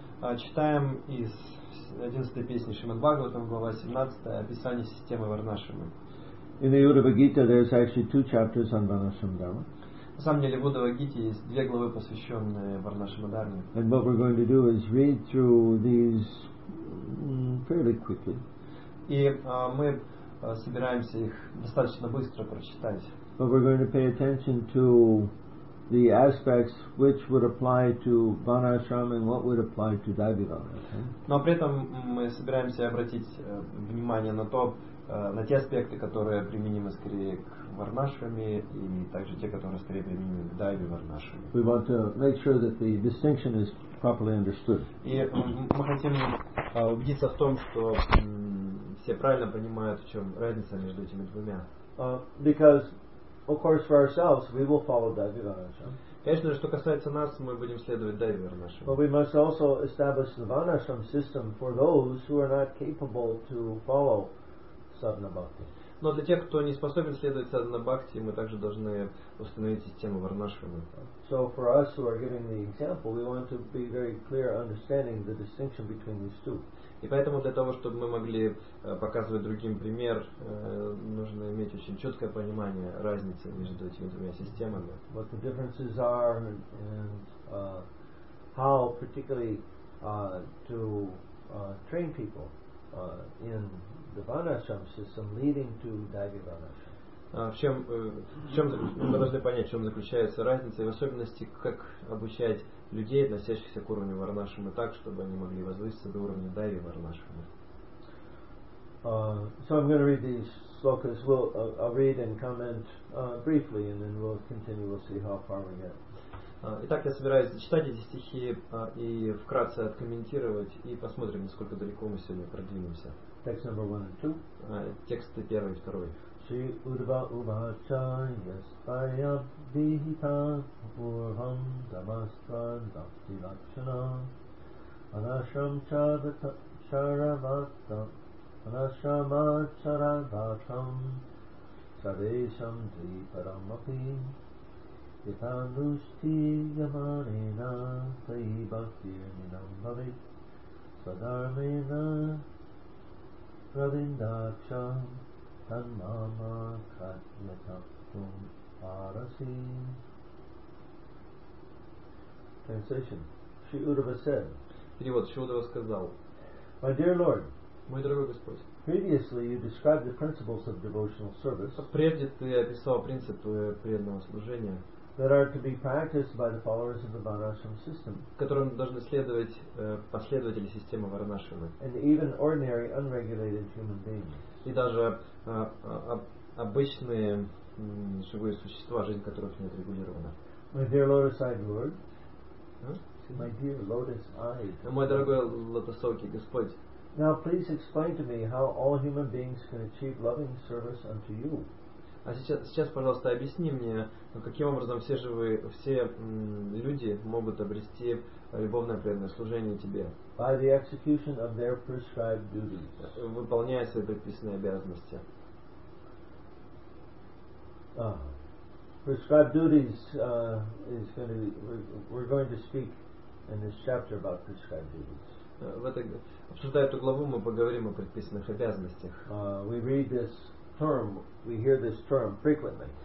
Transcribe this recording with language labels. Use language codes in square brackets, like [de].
[ru] Читаем из 11 песни Шримад Бхагаватам, глава 17, описание системы Варнашрамы. [en] In the Uddhava Gita, there's actually two chapters on Vanashram Dharma. [ru] На самом деле, в Уддхава Гите есть две главы, посвященные Варнашрама Дхарме. [en] And what we're going to do is read through these fairly quickly. [ru] И мы собираемся их достаточно быстро прочитать. [en] But we're going to pay attention to the aspects which would apply to Vanashram and what would apply to Divi Vanashram. [ru] Но при этом мы собираемся обратить внимание на то, на те аспекты, которые применимы скорее к Варнашраме и также те, которые скорее применимы к Дайви Варнашраме. [en] We want to make sure that the distinction is properly understood. [ru] И мы хотим убедиться в том, что все правильно понимают, в чем разница между этими двумя. [en] Because, of course, for ourselves, we will follow Дайви Варнашрам. [ru] Конечно, что касается нас, мы будем следовать Дайви Варнашраме. [en] But we must also establish the Varnashram system for those who are not capable to follow Sadhana Bhakti. [ru] Но для тех, кто не способен следовать Sadhana Bhakti, мы также должны установить систему Варнашрама. [en] So for us who are giving the example, we want to be very clear understanding the distinction between these two. [ru] И поэтому для того, чтобы мы могли показывать другим пример, нужно иметь очень четкое понимание разницы между этими двумя системами. [en] What the differences are and how particularly to train people in the Vanashram system leading to Divi Vanashram. [ru] Мы должны понять, в чем заключается разница, и в особенности, как обучать людей, относящихся к уровню Варнашрамы, так, чтобы они могли возвыситься до уровня Дайви Варнашрамы. [en] So I'm going to read these slokas. I'll read and comment briefly, and then we'll continue. We'll see how far we get. [ru] Итак, я собираюсь зачитать эти стихи и вкратце откомментировать, и посмотрим, насколько далеко мы сегодня продвинемся. [en] Text number one and two. [ru] Тексты первый и второй. [sa] Shri Urva Uvacha Yasvayam Vihita Purvam Damastra Dakti Lakshana Anashram Charavatam Anashrama Charavatam Sadesham Dviparamapi Itandusti Yamanena Taibakir Ninam Bhavit Sadarmena Pravindaksham Tan mama katyatakum parasi. [en] Translation. Shri Uddhava said. [ru] Перевод. Shri Uddhava сказал. [en] My dear Lord. [ru] Мой дорогой Господь. [en] Previously you described the principles of devotional service. [ru] Прежде ты описал принципы преданного служения. [en] That are to be practiced by the followers of the Varnashram system. [ru] Которым должны следовать последователи системы Варнашрамы. [en] And even ordinary, unregulated human beings. [ru] И даже обычные живые существа, жизнь которых не отрегулирована. [en] My dear lotus-eyed Lord. Huh? My dear lotus-eyed. [ru] Мой дорогой лотосовкий Господь. [en] Now please explain to me how all human beings can achieve loving service unto you. [ru] А сейчас, пожалуйста, объясни мне, каким образом все живые, все люди могут обрести любовное преданное служение тебе. [en] By the execution of their prescribed duties. [ru] Выполняя свои предписанные обязанности. [en] Prescribed duties is going to be, we're going to speak in this chapter about prescribed duties. [ru] Обсуждая эту главу, мы поговорим о предписанных обязанностях. [en] We read this term, we hear this term frequently.